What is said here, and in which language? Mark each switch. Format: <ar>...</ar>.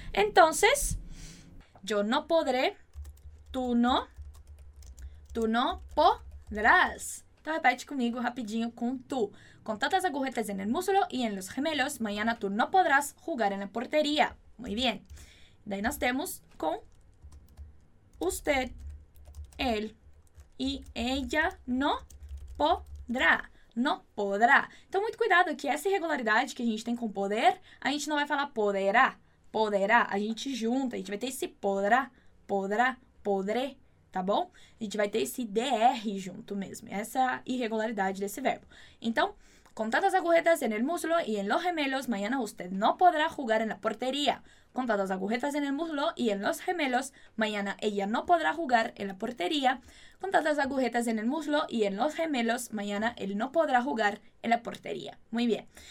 <es>Entonces, yo no podré, tú no podrás.</es> <pt>Então, repete comigo rapidinho com tu.</pt> <es>Con tantas agujetas en el muslo y en los gemelos, mañana tú no podrás jugar en la portería. Muy bien.</es> <pt>Daí nós temos com usted, él y ella</pt> <es>no podrá. No podrá.</es> <pt>Então, muito cuidado que essa irregularidade que a gente tem com poder, a gente não vai falar poderá, poderá. A gente junta, a gente vai ter esse podrá, podrá, podré, tá bom? A gente vai ter esse DR junto mesmo. Essa é a irregularidade desse verbo. Então,</pt> <es>Con tantas agujetas en el muslo y en los gemelos, mañana usted no podrá jugar en la portería. Con tantas agujetas en el muslo y en los gemelos, mañana ella no podrá jugar en la portería. Con tantas agujetas en el muslo y en los gemelos, mañana él no podrá jugar en la portería. Muy bien.</es>